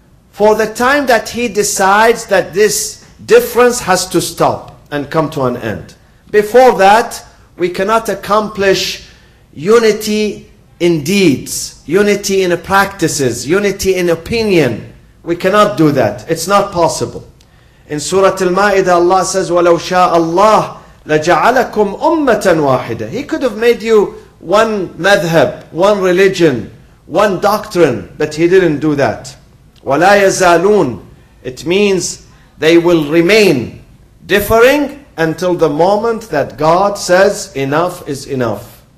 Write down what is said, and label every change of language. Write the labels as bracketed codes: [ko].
[en] For the time that he decides that this difference has to stop and come to an end. Before that, we cannot accomplish unity in deeds, unity in practices, unity in opinion. We cannot do that. It's not possible. In Surah Al-Ma'idah, Allah says, [ar] وَلَوْ شَاءَ اللَّهُ لَجَعَلَكُمْ أُمَّةً وَاحِدَةً. [en] He could have made you one madhab, one religion, one doctrine, but he didn't do that. [ar] وَلَا يَزَالُونَ. [en] It means they will remain differing until the moment that God says, enough is enough.